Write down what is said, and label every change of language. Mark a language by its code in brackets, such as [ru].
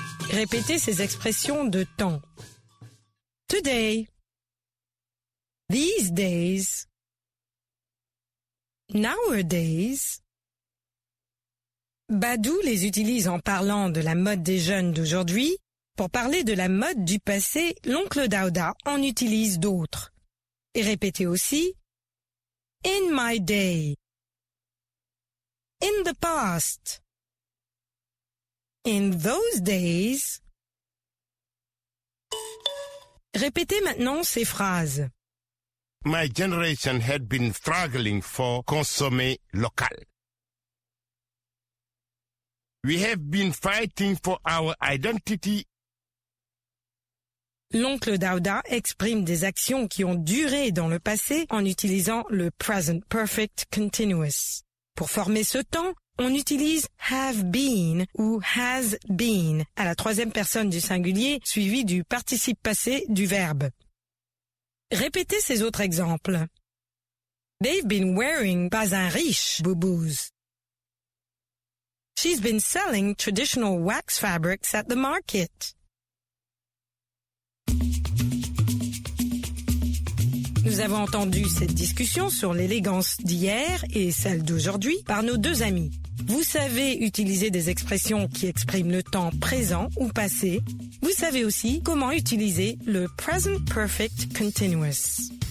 [fr] Répétez ces expressions de temps. [en] Today, these days, nowadays. [fr] Badou les utilise en parlant de la mode des jeunes d'aujourd'hui. Pour parler de la mode du passé, l'oncle Daouda en utilise d'autres. Et répétez aussi, [en] in my day, in the past, in those days. [fr] Répétez maintenant ces phrases. [en] My generation had been struggling for consomme local. We have been fighting for our identity. [fr] L'oncle Daouda exprime des actions qui ont duré dans le passé en utilisant le present perfect continuous. Pour former ce temps, on utilise have been ou has been à la troisième personne du singulier suivie du participe passé du verbe. Répétez ces autres exemples. [en] They've been wearing bazin-riche boubouze. She's been selling traditional wax fabrics at the market. [fr] Nous avons entendu cette discussion sur l'élégance d'hier et celle d'aujourd'hui par nos deux amis. Vous savez utiliser des expressions qui expriment le temps présent ou passé. Vous savez aussi comment utiliser le present perfect continuous.